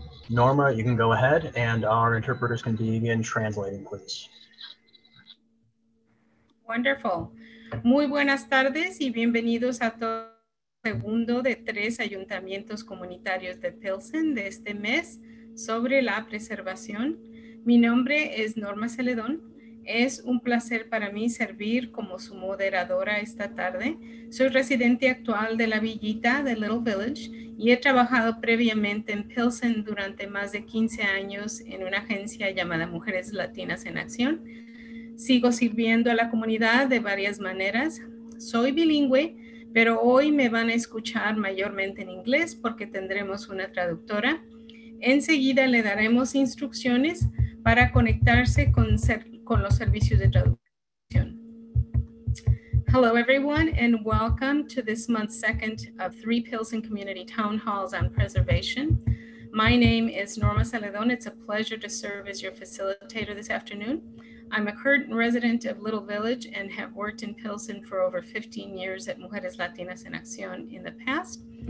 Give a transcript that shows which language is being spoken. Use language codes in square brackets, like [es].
[en] Norma, you can go ahead and our interpreters can begin translating, please. Wonderful. [es] Muy buenas tardes y bienvenidos a todo segundo de tres ayuntamientos comunitarios de Pilsen de este mes sobre la preservación. Mi nombre es Norma Celedón. Es un placer para mí servir como su moderadora esta tarde. Soy residente actual de la villita de Little Village y he trabajado previamente en Pilsen durante más de 15 años en una agencia llamada Mujeres Latinas en Acción. Sigo sirviendo a la comunidad de varias maneras. Soy bilingüe, pero hoy me van a escuchar mayormente en inglés porque tendremos una traductora. Enseguida le daremos instrucciones para conectarse con los servicios de traducción. [en] Hello everyone and welcome to this month's second of three Pilsen Community Town Halls on Preservation. My name is Norma Celedón. It's a pleasure to serve as your facilitator this afternoon. I'm a current resident of Little Village and have worked in Pilsen for over 15 years at Mujeres Latinas en Acción in the past.